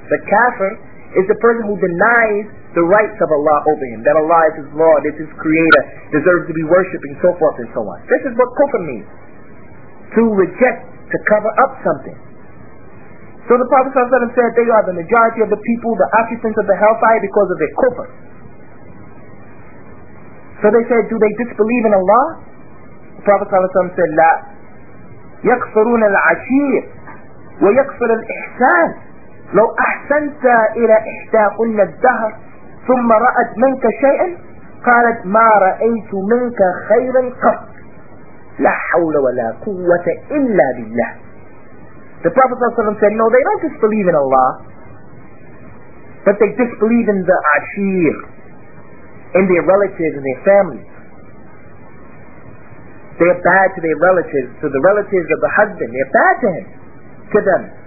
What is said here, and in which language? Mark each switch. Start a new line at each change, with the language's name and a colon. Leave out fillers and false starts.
English: The kafir is the person who denies the rights of Allah over him, that Allah is his Lord, is his creator, deserves to be worshipped, and so forth and so on. This is what kufr means. To reject, to cover up something. So the Prophet ﷺ said they are the majority of the people, the occupants of the hellfire, because of their kufr. So they said, "Do they disbelieve in Allah?" The Prophet ﷺ said, "La.
Arabic: يكفرون العشير ويكفر الإحسان لو أحسنت إلى إحداهن الدهر ثم رأت منك شيئا قالت ما رأيت منك خيرا قط لا حول ولا قوة إلا بالله."
English: The Prophet ﷺ said, "No, they don't disbelieve in Allah, but they disbelieve in the ashir, in their relatives and their families. They are bad to their relatives, to the relatives of the husband. They are bad to him, to them."